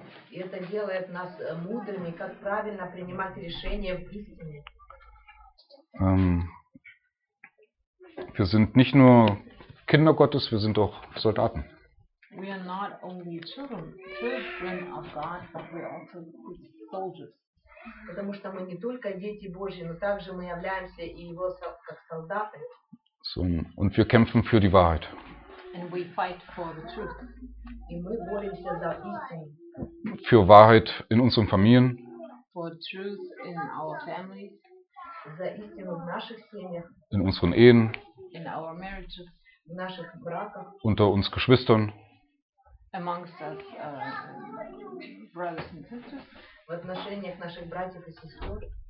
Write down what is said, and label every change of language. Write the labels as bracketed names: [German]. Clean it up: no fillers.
[Russian] И это делает нас мудрыми, как правильно принимать решения в истине. [German] Wir sind nicht nur Kinder Gottes, wir sind auch Soldaten. [English] We are not only children of God, but we are also soldiers. [Russian] Потому что мы не только дети Божьи, но также мы являемся и его как солдаты. [German] So, und wir kämpfen für die Wahrheit. [English] And we fight for the truth. [Russian] И мы боремся за истину. [German] Für Wahrheit in unseren Familien. [English] For truth in our families. [Russian] За истину в наших семьях. [German] In unseren Ehen. [English] In our marriages. [Russian] В наших браках. [German] Unter uns Geschwistern. [English] Amongst us, brothers and sisters. [Russian] В отношениях наших братьев и сестер.